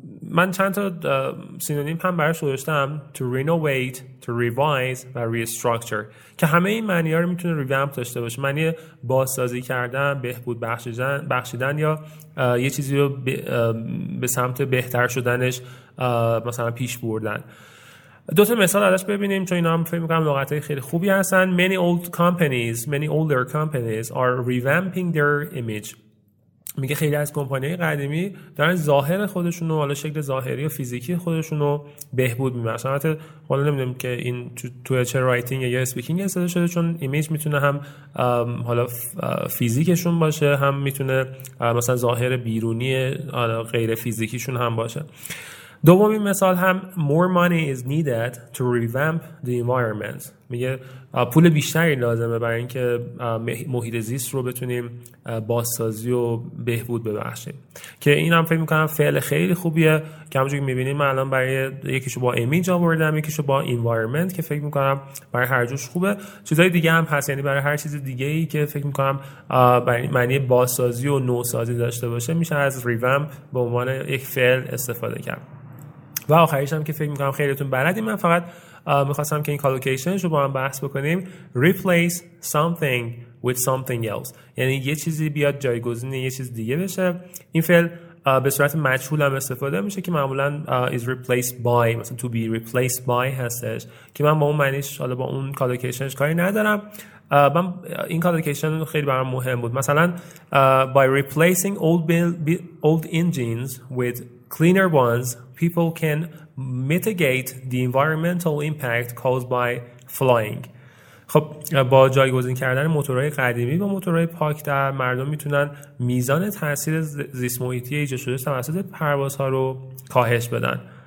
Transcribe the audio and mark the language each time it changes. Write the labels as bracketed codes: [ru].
[fa] من چند تا سینونیم هم براش گذاشتم، to renovate, to revise و restructure، که همه این معنی ها رو میتونه revamp داشته باشه. معنی بازسازی کردن، بهبود بخشیدن یا یه چیزی رو به سمت بهتر شدنش مثلا پیش بردن. دو تا مثال ازش ببینیم چون اینا هم فکر می‌کنم لغت‌های خیلی خوبی هستن. [en] Many older companies are revamping their image. [fa] میگه خیلی از کمپانی‌های قدیمی دارن ظاهر خودشونو، حالا شکل ظاهری و فیزیکی خودشونو بهبود می‌دن. البته حالا نمی‌دونم که این تو چه رایتینگ یا اسپیکینگ استفاده شده، چون ایمیج میتونه هم حالا فیزیکشون باشه، هم میتونه مثلا ظاهر بیرونی حالا غیر فیزیکیشون هم باشه. دومین مثال هم [en] more money is needed to revamp the environment. [fa] میگه پول بیشتری لازمه برای اینکه محیط زیست رو بتونیم بازسازی و بهبود ببخشیم. که این هم فکر میکنم فعل خیلی خوبیه که همونجوری میبینیم الان برای یکیشو با ایمیج آوردم، یکیشو با environment که فکر میکنم برای هر جوش خوبه. چیزای دیگه هم هست، یعنی برای هر چیز دیگه‌ای که فکر میکنم برای معنی بازسازی و نوسازی داشته باشه میشه از revamp به عنوان یک فعل استفاده کرد. و آخریش هم که فکر میکنم خیلیتون بلدیم، من فقط میخواستم که این کالوکیشنش رو با هم بحث بکنیم، [en] replace something with something else، [fa] یعنی یه چیزی بیاد جایگزین یه چیز دیگه بشه. این فعل به صورت مجهول هم استفاده میشه که معمولا [en] is replaced by، [fa] مثلا [en] to be replaced by [fa] هستش، که من با اون معنیش حالا با اون کالوکیشنش کاری ندارم. من این کالوکیشن خیلی برام مهم بود، مثلا [en] by replacing old engines with cleaner ones people can mitigate the environmental impact caused by flying. [fa] خب با جایگزین کردن موتورهای قدیمی با موتورهای پاکتر مردم میتونن میزان تاثیر زیست محیطی ایجاد شده توسط پروازها رو کاهش بدن.